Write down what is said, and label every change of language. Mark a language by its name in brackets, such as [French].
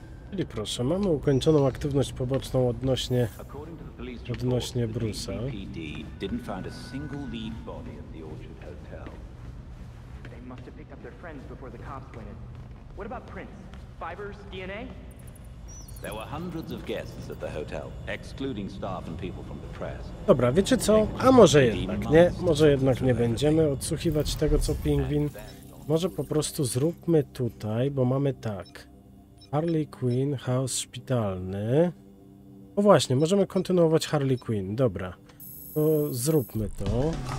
[Polish] Czyli proszę, mamy ukończoną aktywność poboczną odnośnie Bruce'a. [English] Didn't find a single lead body at the Orchard Hotel. They must have picked up their friends before the cops went in. What about Prince? Fibers? DNA? There were hundreds of guests at the hotel, excluding staff and people from the press. [Polish] Dobra, wiecie co? A może jednak nie? Może jednak nie będziemy odsłuchiwać tego, co Pingwin? Może po prostu zróbmy tutaj, bo mamy tak. Harley Quinn, house szpitalny. O właśnie, możemy kontynuować Harley Quinn. Dobra, to zróbmy to.